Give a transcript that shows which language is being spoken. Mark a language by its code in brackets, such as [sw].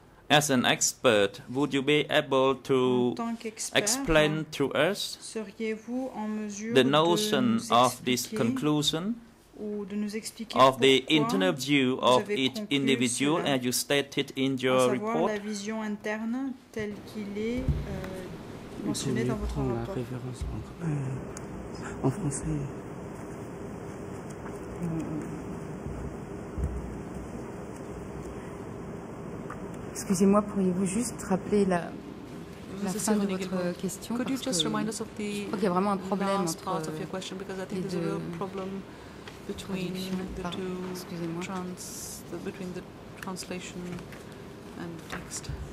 [en] As an expert, would you be able to explain to us the notion of this conclusion of the internal view of each individual, as you stated in your report? [fr] La vision interne telle qu'il est mentionné dans votre rapport. La référence en français. Excusez-moi, pourriez-vous juste rappeler la fin de votre question? [en] Could you just remind us of the last part of your question? Because I think there's a real problem between between the translation and the text.